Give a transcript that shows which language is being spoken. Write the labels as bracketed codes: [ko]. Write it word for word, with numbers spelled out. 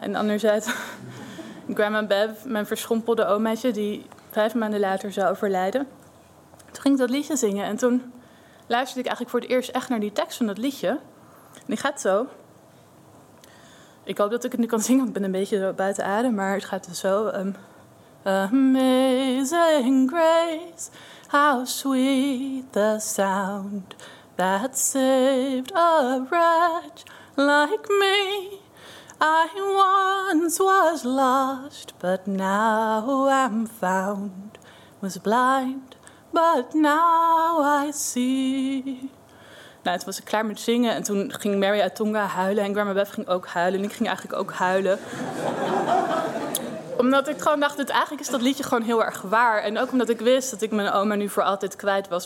[nl] en anderzijds Grandma Bev, mijn verschrompelde omaatje... die vijf maanden later zou overlijden. Toen ging ik dat liedje zingen en toen... luisterde ik eigenlijk voor het eerst echt naar die tekst van dat liedje... Die gaat zo. Ik hoop dat ik het nu kan zingen, want ik ben een beetje buiten adem. Maar het gaat dus zo. [en] Um, Amazing grace, how sweet the sound that saved a wretch like me. I once was lost, but now am found. Was blind, but now I see. [nl] Nou, toen was ik klaar met zingen en toen ging Mary uit Tonga huilen... en Grandma Bev ging ook huilen en ik ging eigenlijk ook huilen. Omdat ik gewoon dacht, dit, eigenlijk is dat liedje gewoon heel erg waar. En ook omdat ik wist dat ik mijn oma nu voor altijd kwijt was...